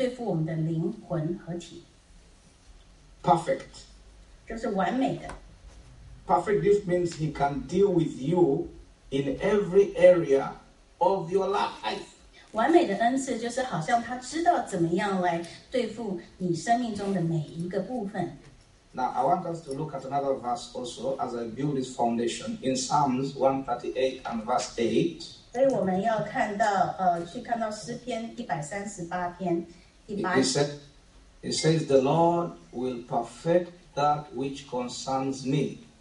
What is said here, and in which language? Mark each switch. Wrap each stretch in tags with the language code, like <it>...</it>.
<zh>就是一个完美和全备的恩赐是从圣灵而来的，因为神就是知道怎么样来对付我们的灵魂合体。</zh> <en>Perfect.</en> <zh>就是完美的。</zh> <en>Perfect gift means he can deal with you in every area of your life.</en> <zh>完美的恩赐就是好像他知道怎么样来对付你生命中的每一个部分。</zh> <en>Now I want us to look at another verse also as I build this foundation in Psalms 138 and verse 8.</en> <zh>所以我们要看到，去看到诗篇138篇第八。</zh> <en>It says the Lord will perfect that which concerns me.</en>